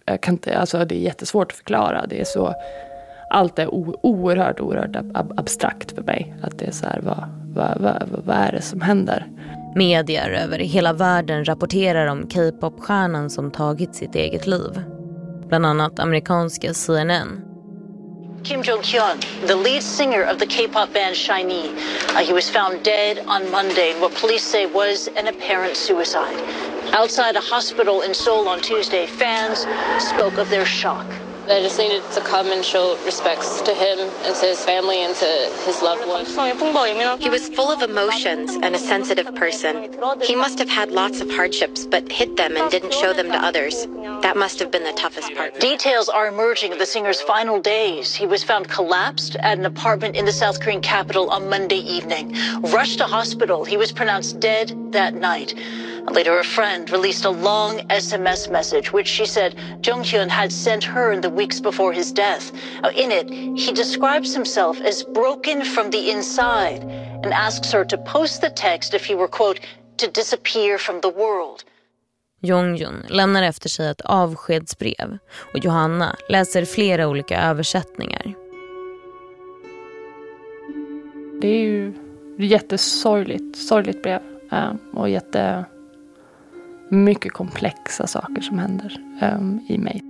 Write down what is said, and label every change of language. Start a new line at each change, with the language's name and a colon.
Swedish: Jag kan inte, alltså det är jättesvårt att förklara. Det är så, allt är oerhört abstrakt för mig. Att det är så här, vad är det som händer? Medier över hela världen rapporterar om K-pop-stjärnan som tagit sitt eget liv. Bland annat amerikanska CNN.
English: Kim Jong-kyun, the lead singer of the K-pop band Shinee. He was found dead on Monday in what police say was an apparent suicide. Outside a hospital in Seoul on Tuesday, fans spoke of their shock. I just needed to come and show respects to him and to his family and to his loved ones. He was full of emotions and a sensitive person. He must have had lots of hardships, but hid them and didn't show them to others. That must have been the toughest part. Details are emerging of the singer's final days. He was found collapsed at an apartment in the South Korean capital on Monday evening. Rushed to hospital, he was pronounced dead that night. Later, a friend released a long SMS message, which she said Jonghyun had sent her in the weeks before his death. In it, he describes himself as broken from the inside and asks her to post the text if he were, quote, to disappear from the world.
Swedish: Jonghyun lämnar efter sig ett avskedsbrev och Johanna läser flera olika översättningar. Det är ju jättesorgligt, sorgligt brev och jätte... mycket komplexa saker som händer i mig.